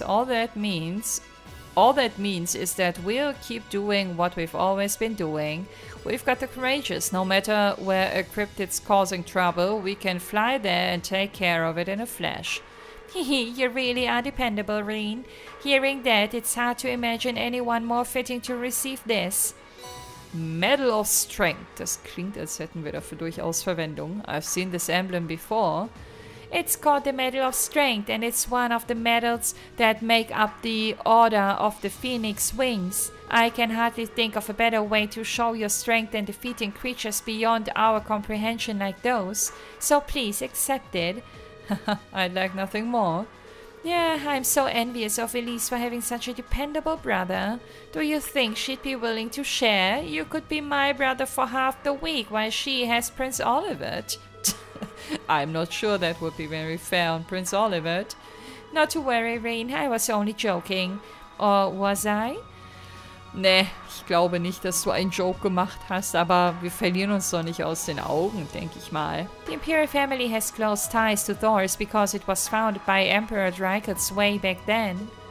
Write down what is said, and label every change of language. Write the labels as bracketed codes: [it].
[en] All that means is that we'll keep doing what we've always been doing. We've got the courageous. No matter where a cryptid's causing trouble, we can fly there and take care of it in a flash. Hehe, you really are dependable, Rin. Hearing that, it's hard to imagine anyone more fitting to receive this. Medal of Strength. [de] Das klingt, als hätten wir dafür durchaus Verwendung. [en] I've seen this emblem before. It's called the Medal of Strength, and it's one of the medals that make up the Order of the Phoenix Wings. I can hardly think of a better way to show your strength than defeating creatures beyond our comprehension like those. So please accept it. I'd like nothing more. Yeah, I'm so envious of Elise for having such a dependable brother. Do you think she'd be willing to share? You could be my brother for half the week while she has Prince Olivet. I'm not sure that would be very fair on Prince Olivet. Not to worry, Rin. I was only joking. Or was I? [de] Nee, ich glaube nicht, dass du einen Joke gemacht hast, aber wir verlieren uns doch nicht aus den Augen, denke ich mal. [en] The Imperial Family has close ties to Thors because it was founded by Emperor Dreykult way back then.